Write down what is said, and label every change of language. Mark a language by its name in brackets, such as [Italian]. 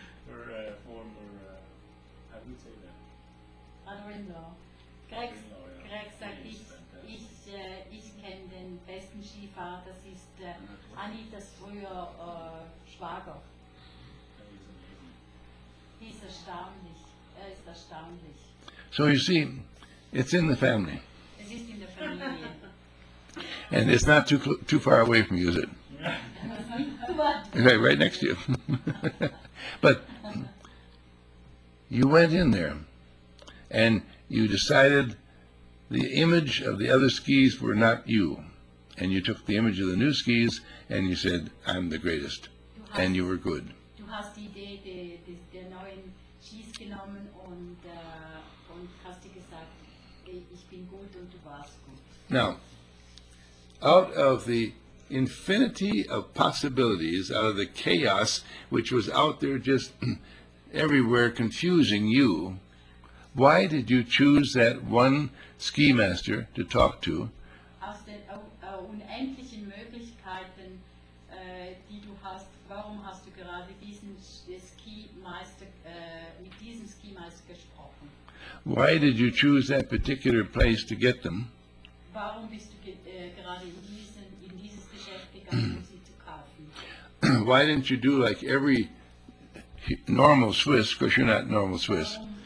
[English] Or former, how would you say that? Adorindor. [German] Greg sagt, ich kenne den besten Skifahrer, das ist Anitas früher Schwager. [English] He's [German] erstaunlich. Er ist erstaunlich. [English] So you see, it's in the family. [German] Es ist in der Familie. [English] And it's not too far away from you, is it? Okay, right next to you. But you went in there and you decided the image of the other skis were not you. And you took the image of the new skis and you said, I'm the greatest. And you were good. [German] Du hast die Idee der neuen Skis genommen und hast die gesagt, ich bin gut und du warst gut. [English] Now, out of the infinity of possibilities, out of the chaos which was out there just everywhere confusing you, why did you choose that one ski master to talk to? [German] Aus den unendlichen Möglichkeiten, die du hast, warum hast du gerade diesen Skimeister, mit diesem Skimeister gesprochen? [English] Why did you choose that particular place to get them? [German] Warum bist du gerade in dieses Geschäft gegangen, um sie zu kaufen? [English] Why didn't you do like every normal Swiss, because you're not normal Swiss?